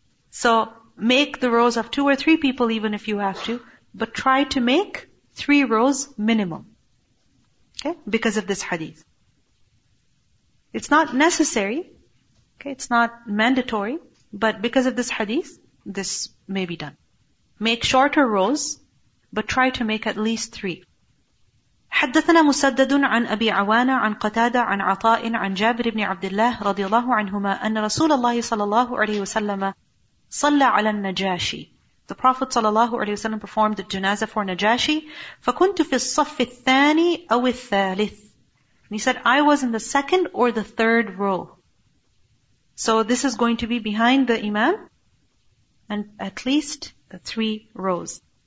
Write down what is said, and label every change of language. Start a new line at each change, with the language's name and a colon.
English: So make the rows of two or three people even if you have to, but try to make three rows minimum. Okay? Because of this hadith. It's not necessary. Okay? It's not mandatory. But because of this hadith, this may be done. Make shorter rows, but try to make at least three.
Arabic: حدثنا مسدد عن أبي عوانة عن قتادة عن عطاء عن جابر بن عبد الله رضي الله عنهما أن رسول الله صلى الله عليه وسلم صلى على النجاشي.
English: The Prophet صلى الله عليه وسلم performed the janazah for Najashi.
Arabic: فكنت في الصف الثاني أو الثالث.
English: And he said, I was in the second or the third row. So this is going to be behind the imam and at least three rows.